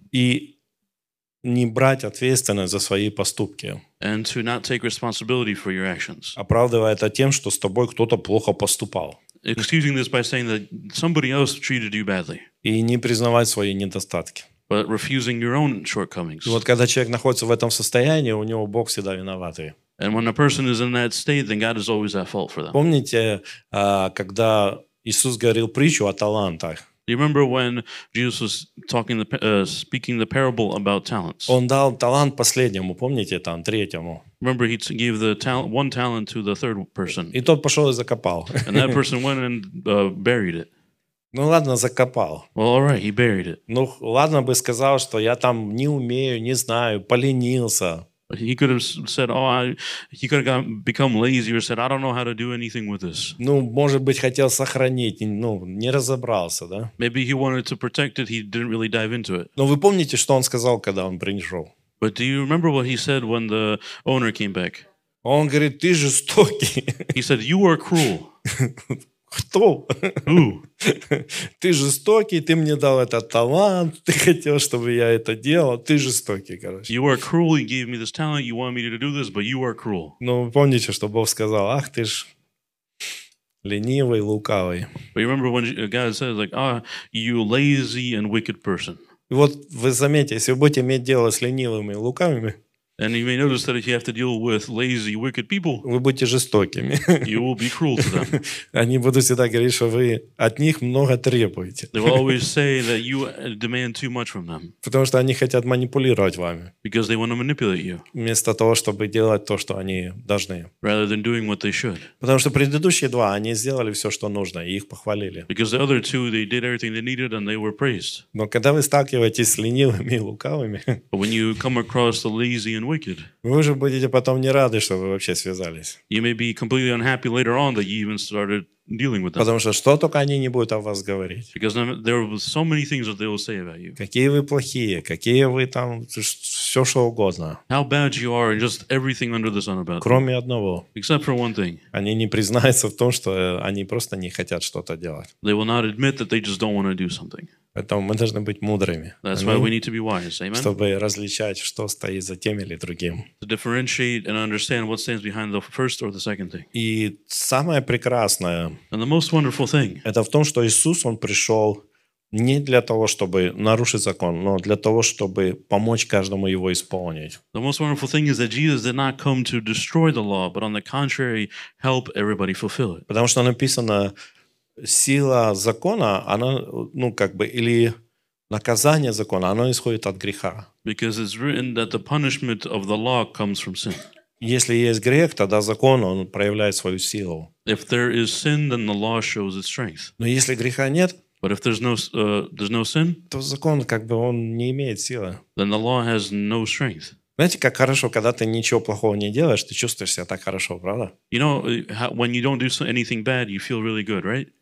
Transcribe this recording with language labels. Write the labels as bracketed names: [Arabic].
[Russian] И не брать ответственность за свои поступки. [English] And to not take responsibility for your actions. [Russian] Оправдывая это тем, что с тобой кто-то плохо поступал. [English] Excusing this by saying that somebody else treated you badly. [Russian] И не признавать свои недостатки. [English] But refusing your own shortcomings. [Russian] И вот когда человек находится в этом состоянии, у него Бог всегда виноватый. [English] And when a person is in that state, then God is always at fault for them. [Russian] Помните, когда Иисус говорил притчу о талантах? [English] Do you remember when Jesus was talking, speaking the parable about talents? [Russian] Он дал талант последнему, помните, там, третьему. [English] Remember, he gave the one talent to the third person. [Russian] И тот пошел и закопал. [English] And that person went and buried it. [Russian] Ну ладно, закопал. [English] Well, all right, he buried it. [Russian] Ну ладно бы сказал, что я там не умею, не знаю, поленился. [English] He could have said, "Oh, he could have become lazy or said, 'I don't know how to do anything with this.'" [Russian] Ну, может быть, хотел сохранить, ну, не разобрался, да? [English] Maybe he wanted to protect it. He didn't really dive into it. [Russian] Но вы помните, что он сказал, когда он пришел? [English] But do you remember what he said when the owner came back? [Russian] Он говорит: "Ты жестокий." [English] He said, "You are cruel." [Russian] Кто? Ты жестокий, ты мне дал этот талант, ты хотел, чтобы я это делал, ты жестокий, короче. [English] You are cruel, you gave me this talent, you want me to do this, but you are cruel. [Russian] Ну, помните, что Бог сказал, ах, ты ж ленивый, лукавый. [English] But you remember when God says, like, ah, you lazy and wicked person. [Russian] И вот вы заметите, если вы будете иметь дело с ленивыми и лукавыми, [English] And you may notice that if you have to deal with lazy, wicked people, [Russian] вы будете жестокими. [English] You will be cruel to them. [Russian] Они будут всегда говорить, что вы от них много требуете. [English] They will always say that you demand too much from them. [Russian] Потому что они хотят манипулировать вами. [English] Because they want to manipulate you. [Russian] Вместо того, чтобы делать то, что они должны. [English] Rather than doing what they should. [Russian] Потому что предыдущие два, они сделали все, что нужно, и их похвалили. [English] Because the other two, they did everything they needed and they were praised. [Russian] Но когда вы сталкиваетесь с ленивыми и лукавыми, [English] but when you come across the lazy and wicked. [Russian] Вы уже будете потом не рады, что вы вообще связались. [English] You may be completely unhappy later on that you even started dealing with them. [Russian] Потому что что только они не будут о вас говорить. [English] Because there are so many things that they will say about you. [Russian] Какие вы плохие, какие вы там все что угодно. [English] How bad you are and just everything under the sun about. [Russian] Кроме одного. [English] Except for one thing. [Russian] Они не признаются в том, что они просто не хотят что-то делать. [English] They will not admit that they just don't want to do something. [Russian] Поэтому мы должны быть мудрыми. [English] That's why we need to be wise. Amen? [Russian] Чтобы различать, что стоит за тем или другим. [English] To differentiate and understand what stands behind the first or the second thing. [Russian] И самое прекрасное. [English] And the most wonderful thing. [Russian] Это в том, что Иисус, Он пришел не для того, чтобы нарушить закон, но для того, чтобы помочь каждому его исполнить. [English] The most wonderful thing is that Jesus did not come to destroy the law, but on the contrary, help everybody fulfill it. [Russian] Потому что написано, сила закона, она, ну, как бы, или наказание закона, оно исходит от греха. [English] Because it's written that the punishment of the law comes from sin. [Russian] Если есть грех, тогда закон, он проявляет свою силу. [English] If there is sin, then the law shows its strength. [Russian] Но если греха нет, [English] but if there's no sin, [Russian] то закон, как бы, он не имеет силы. [English] Then the law has no strength. [Russian] Знаете, как хорошо, когда ты ничего плохого не делаешь, ты чувствуешь себя так хорошо, правда? [English] You know, when you don't do anything bad, you feel really good, right?